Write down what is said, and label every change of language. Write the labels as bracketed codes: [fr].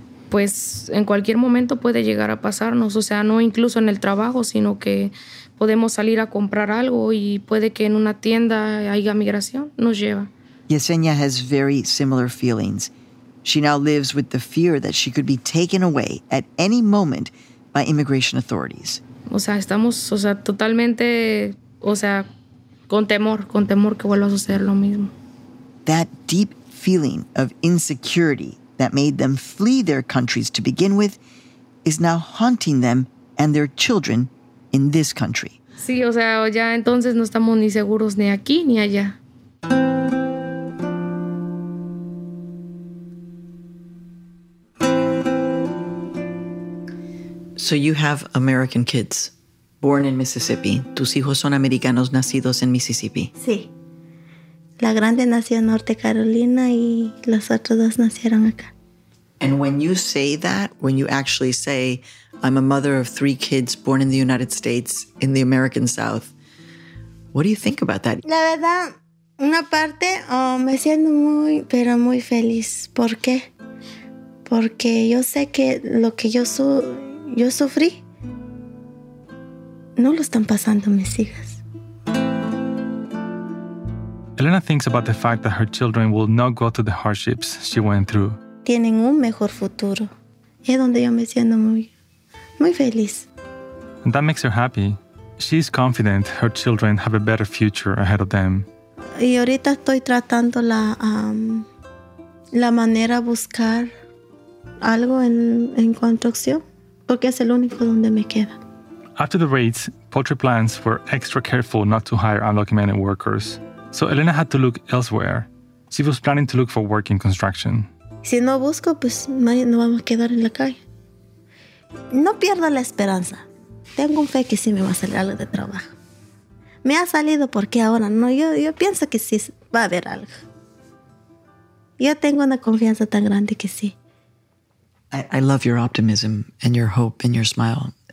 [es] Pues en cualquier momento puede llegar a pasarnos. O sea, no incluso en el trabajo, sino que podemos salir a comprar algo y puede que en una tienda haya migración. Nos lleva. [en] Yesenia has very similar feelings. She now lives with the fear that she could be taken away at any moment by immigration authorities. [es] O sea, estamos, o sea, totalmente, o sea, con temor que vuelva a suceder lo mismo. [en] That deep feeling of insecurity that made them flee their countries to begin with is now haunting them and their children in this country. [es] Sí, o sea, ya entonces no estamos ni seguros ni aquí ni allá. [en] So you have American kids born in Mississippi. [es] Tus hijos son americanos nacidos en Mississippi. Sí. La grande nació en Norte Carolina y las otras dos nacieron acá. [en] And when you say that, when you actually say, I'm a mother of three kids born in the United States in the American South, what do you think about that? [es] La verdad, una parte me siento muy, pero muy feliz. ¿Por qué? Porque yo sé que lo que yo sufrí, no lo están pasando mis hijas. [en] Elena thinks about the fact that her children will not go through the hardships she went through. [es] Tienen un mejor futuro. Es donde yo me siento muy, muy feliz. [en] And that makes her happy. She's confident her children have a better future ahead of them. [es] Y ahorita estoy tratando la manera buscar algo en construcción, porque es el único donde me queda. [en] After the raids, poultry plants were extra careful not to hire undocumented workers. So Elena had to look elsewhere. She was planning to look for work in construction. [es] Si no busco, pues no vamos a quedar en la calle. No pierda la esperanza. Tengo fe que sí me va a salir algo de trabajo. Me ha salido porque ahora no. Yo pienso que sí va a haber algo. Yo tengo una confianza tan grande que sí. [en] I love your optimism and your hope and your smile.